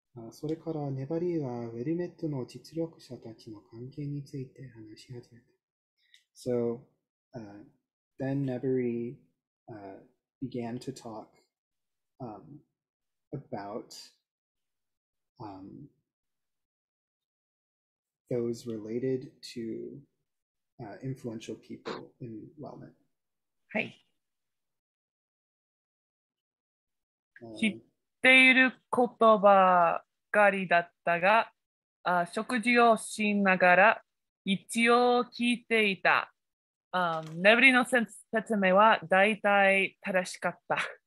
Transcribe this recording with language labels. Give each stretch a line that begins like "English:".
Japanese: それからネバリーはウェルメットの実力者たちの関係について話し始めた。
English: So, then Nebori began to talk about those related to influential people in Wellmet.
Japanese: はい。知っている言葉がりだったが、食事をしながら一応聞いていた。ネブリの説明はだいたい正しかった。